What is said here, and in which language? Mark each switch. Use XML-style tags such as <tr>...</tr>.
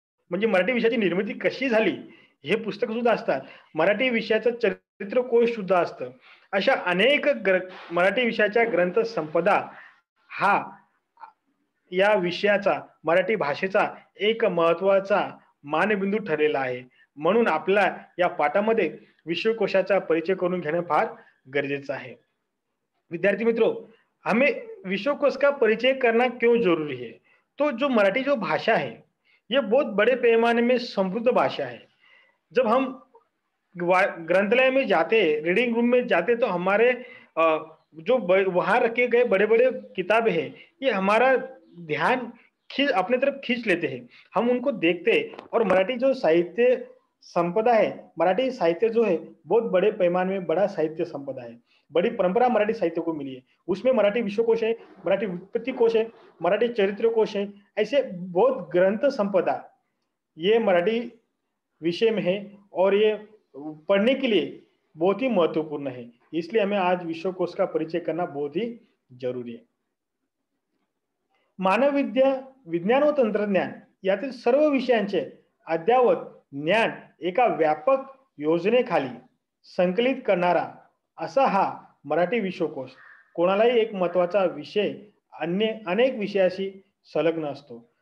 <mr>म्हणजे मराठी विषयाची निर्मिती कशी झाली हे पुस्तक सुद्धा असतात, मराठी विषयाचं चरित्र कोश सुद्धा असतं, अशा अनेक मराठी विषयाच्या ग्रंथ संपदा हा या विषयाचा मराठी भाषेचा एक महत्वाचा मानबिंदू ठरलेला आहे. म्हणून आपला या पाठामध्ये विश्वकोशाचा परिचय करून घेणं फार गरजेचं आहे.</mr> <hi>विद्यार्थी मित्र, हमें विश्वकोश का परिचय करना क्यों जरूरी है? तो जो मराठी जो भाषा है ये बहुत बड़े पैमाने में समृद्ध भाषा है. जब हम ग्रंथालय में जाते, रीडिंग रूम में जाते तो हमारे जो वहां रखे गए बड़े बड़े किताब है ये हमारा ध्यान अपने तरफ खींच लेते हैं, हम उनको देखते हैं और मराठी जो साहित्य संपदा है, मराठी साहित्य जो है बहुत बड़े पैमाने में बड़ा साहित्य संपदा है, बड़ी परंपरा मराठी साहित्य को मिली है, उसमें मराठी विश्वकोश है, मराठी उत्पत्ति कोश है, मराठी चरित्र कोश है, ऐसे बहुत ग्रंथ संपदा ये मराठी विषय में है और ये पढ़ने के लिए बहुत ही महत्वपूर्ण है, इसलिए हमें आज विश्वकोश का परिचय करना बहुत ही जरूरी है.</hi> <mr>मानव विद्या, विज्ञान व तंत्रज्ञान यातील सर्व विषयांचे अद्यावत ज्ञान एका व्यापक योजनेखाली संकलित करणारा असा हा मराठी विश्वकोश कोणालाही एक महत्वाचा विषय अन्य अनेक विषयाशी संलग्न असतो.</mr>